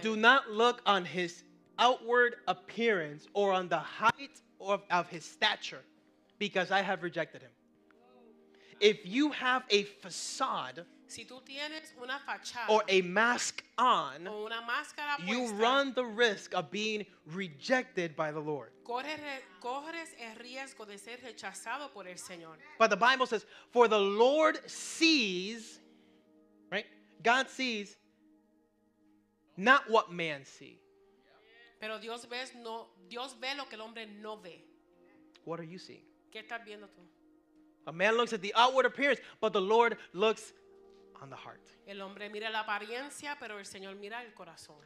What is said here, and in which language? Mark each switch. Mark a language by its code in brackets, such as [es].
[en] Do not look on his outward appearance or on the height of his stature, because I have rejected him. If you have a facade. [es] Si tú tienes una fachada, [en] or a mask on, [es] o una máscara puesta, [en] you run the risk of being rejected by the Lord. [es] Corres el riesgo de ser rechazado por el Señor. [en] But the Bible says, for the Lord sees, right? God sees not what man see. [es] Pero Dios ve, no, Dios ve lo que el hombre no ve. [en] What are you seeing? [es] ¿Qué estás viendo tú? [en] A man looks at the outward appearance, but the Lord looks on the heart. [es] El hombre mira la apariencia, pero el Señor mira el corazón.